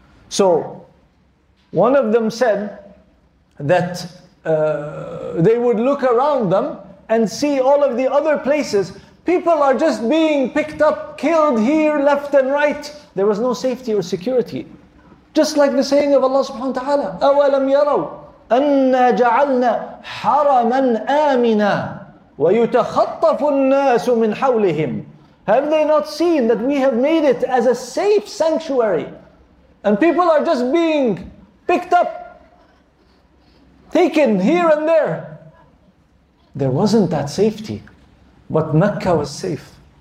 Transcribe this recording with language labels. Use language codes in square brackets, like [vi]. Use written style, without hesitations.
[en] So one of them said that they would look around them and see all of the other places. People are just being picked up, killed here, left and right. There was no safety or security. Just like the saying of Allah subhanahu wa ta'ala, [ar] أَوَلَمْ يَرَوْا أَنَّا جَعَلْنَا حَرَمًا آمِنًا وَيُتَخَطَّفُ النَّاسُ مِنْ حَوْلِهِمْ. [en] Have they not seen that we have made it as a safe sanctuary? And people are just being picked up, taken here and there. There wasn't that safety. But Mecca was safe.